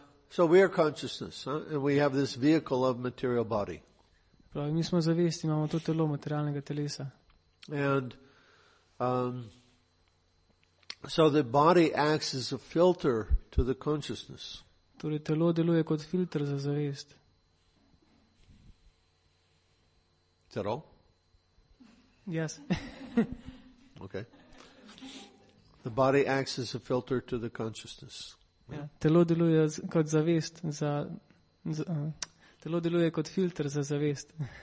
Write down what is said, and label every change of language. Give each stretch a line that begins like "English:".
English: So we are consciousness, and we have this vehicle of material body.
Slovenian: Pravi, mi smo zavest, imamo to telo materialnega telesa.
English: And so the body acts as a filter to the consciousness.
Slovenian: Torej, telo deluje kot filter za zavest.
English: Is that all? Yes. Okay. The body acts as a filter to the consciousness. Yeah.
Slovenian: Telo deluje kot zavest za telo deluje kot filter za zavest.